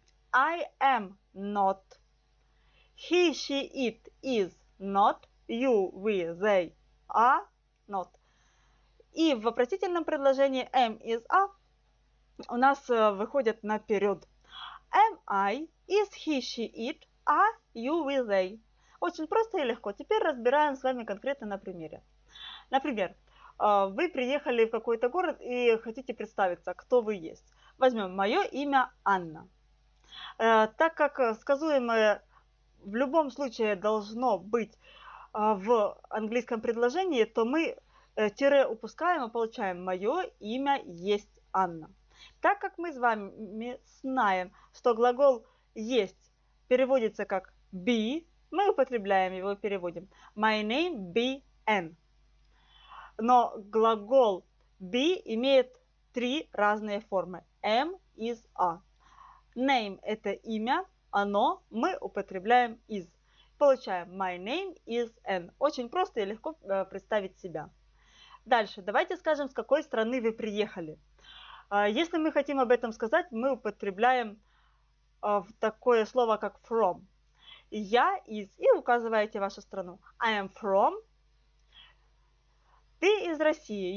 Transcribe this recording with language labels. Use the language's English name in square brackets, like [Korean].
[English] I am not. He, she, it, is not. You, we, they, are not. [Russian] И в вопросительном предложении [English] am, is, are [Russian] у нас выходят наперед. [English] Am I, is he, she, it, are you, we, they? [Russian] Очень просто и легко. Теперь разбираем с вами конкретно на примере. Например, вы приехали в какой-то город и хотите представиться, кто вы есть. Возьмем, мое имя Анна. Так как сказуемое в любом случае должно быть в английском предложении, то мы тире упускаем и получаем, мое имя есть Анна. Так как мы с вами знаем, что глагол «есть» переводится как «be», мы употребляем его и переводим [English] «my name be an». [Russian] Но глагол «be» имеет три разные формы «am» «is» «a». «Name» – это имя, оно мы употребляем «is». Получаем [English] «my name is an». [Russian] Очень просто и легко представить себя. Дальше, давайте скажем, с какой страны вы приехали. Если мы хотим об этом сказать, мы употребляем такое слово, как from. Я из, и указываете вашу страну. [English] I am from. [Russian] Ты из России.